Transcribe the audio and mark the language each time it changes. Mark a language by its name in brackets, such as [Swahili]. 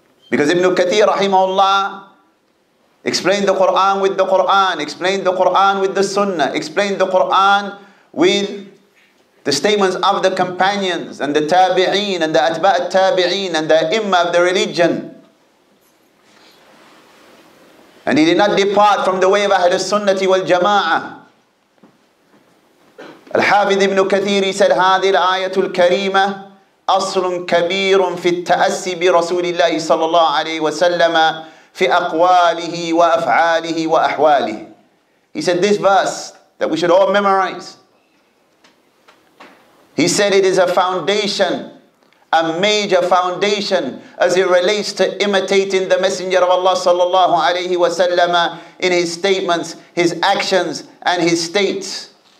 [English] Because Ibn Kathir rahimahullah explained the Quran with the Quran, explained the Quran with the Sunnah, explained the Quran with the statements of the companions and the tabi'een and the atba' al-tabi'een and the imma of the religion. And he did not depart from the way of Ahlul Sunnati wal Jama'ah. Al-Hafidh ibn Kathir, he said, [Arabic] هذه الآية الكريمة أصل كبير في التأسي برسول الله صلى الله عليه وسلم في أقواله وأفعاله وأحواله. [English] He said, this verse that we should all memorize, he said, it is a foundation, a major foundation, as it relates to imitating the Messenger of Allah sallallahu alayhi wa sallam in his statements, his actions, and his states.